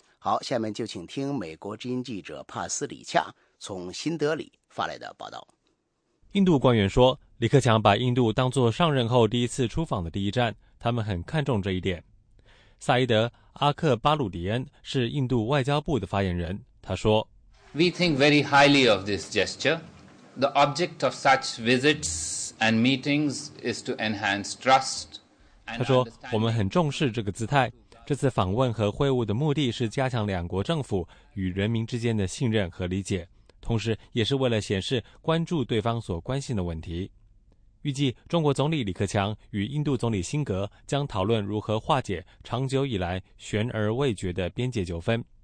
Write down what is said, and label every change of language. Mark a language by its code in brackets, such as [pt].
[zh] 好，下面就请听美国之音记者帕斯里恰从新德里发来的报道。印度官员说，李克强把印度当作上任后第一次出访的第一站，他们很看重这一点。萨伊德·阿克巴鲁迪恩是印度外交部的发言人，他说 [en] We think very highly of this gesture. The object of such visits and meetings is to enhance trust. [zh] 他说，我们很重视这个姿态，这次访问和会晤的目的是加强两国政府与人民之间的信任和理解，同时也是为了显示关注对方所关心的问题。预计中国总理李克强与印度总理辛格将讨论如何化解长久以来悬而未决的边界纠纷。